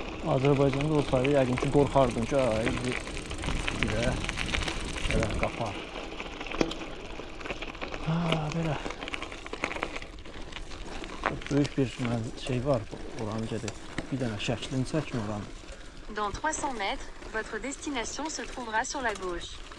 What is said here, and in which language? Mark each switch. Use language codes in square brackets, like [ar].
[az] Azərbaycanda olsaydı yəqin ki qorxardım ki, ay bir belə qapar. Ha, belə. Çox böyük bir şey var bu oranı gedir. Bir dənə şəklini çəkmə oranı. [fr] Dans 300 mètres, votre destination se trouvera sur la gauche.